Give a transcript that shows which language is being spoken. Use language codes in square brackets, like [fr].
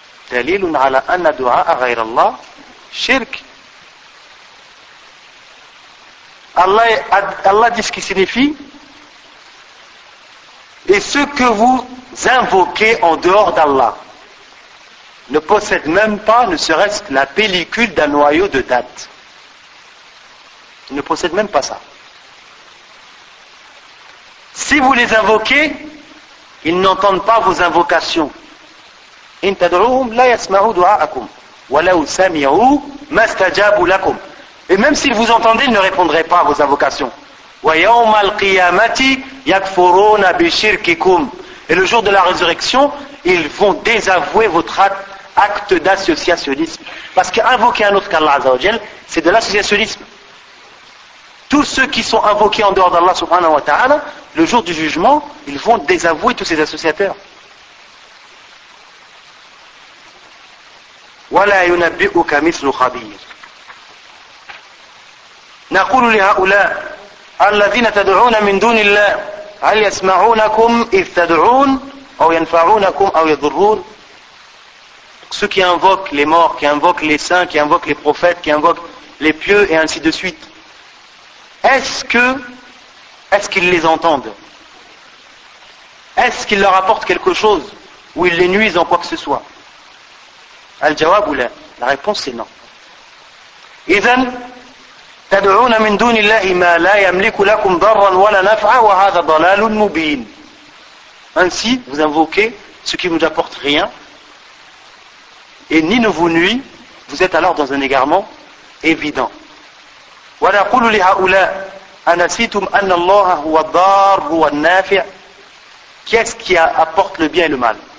[ar] دليل على أن دعاء غير الله شرك. [fr] الله dit ce qui signifie et ce que vous invoquez en dehors d'Allah ne possède même pas, ne serait-ce que la pellicule d'un noyau de date. Il ne possède même pas ça. Si vous les invoquez, ils n'entendent pas vos invocations. [ar] إِن تَدْعُوهُمْ لَا يَسْمَعُوا دُعَاءَكُمْ وَلَوْ سَمِعُوا مَا اسْتَجَابُوا لَكُمْ. [fr] Et même s'ils vous entendaient, ils ne répondraient pas à vos invocations. [ar] ويوم القيامة يكفرون بشرككم. [fr] Et le jour de la résurrection, ils vont désavouer votre acte d'associationnisme. Parce qu'invoquer un autre qu'Allah Azza wa Jal, c'est de l'associationnisme. Tous ceux qui sont invoqués en dehors d'Allah subhanahu wa ta'ala, le jour du jugement, ils vont désavouer tous ces associateurs. [ar] ولا ينبئك مثل خبير. نقول لهؤلاء الذين تدعون من دون الله هل يسمعونكم إذ تدعون أو ينفعونكم أو يضرون. [fr] Ceux qui invoquent les morts, qui invoquent les saints, qui invoquent les prophètes, qui invoquent les pieux et ainsi de suite, est-ce qu'ils les entendent? Est-ce qu'ils leur apportent quelque chose ou ils les nuisent en quoi que ce soit? [ar] الجواب لا. [fr] La réponse est non. [ar] إذن تدعون من دون الله ما لا يملك لكم ضرا ولا نفعا وهذا ضلال مبين. [fr] Ainsi, vous invoquez ce qui ne vous apporte rien et ni ne vous nuit, vous êtes alors dans un égarement évident. [ar] ونقول لهؤلاء أنسيتم أن الله هو الضار هو النافع. [fr] Qu'est-ce qui apporte le bien et le mal?